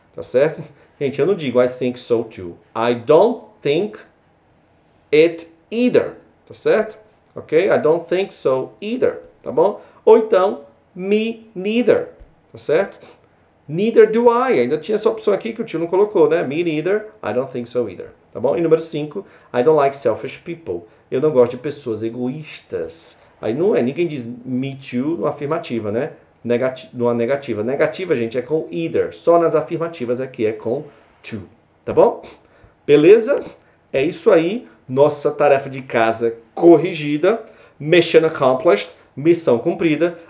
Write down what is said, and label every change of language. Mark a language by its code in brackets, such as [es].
[pt] Tá certo? Gente, eu não digo [en] I think so too. I don't think it either. [pt] Tá certo? [en] Ok? I don't think so either. [pt] Tá bom? Ou então. [en] Me neither, [pt] tá certo? [en] Neither do I. [pt] Ainda tinha essa opção aqui que o tio não colocou, né? [en] Me neither, I don't think so either. [pt] Tá bom? E número 5, [en] I don't like selfish people. [pt] Eu não gosto de pessoas egoístas. Aí não é, ninguém diz me too numa afirmativa, né? Numa negativa. Negativa, gente, é com either. Só nas afirmativas aqui é com to. Tá bom? Beleza? É isso aí. Nossa tarefa de casa corrigida. [en] Mission accomplished. [pt] Missão cumprida.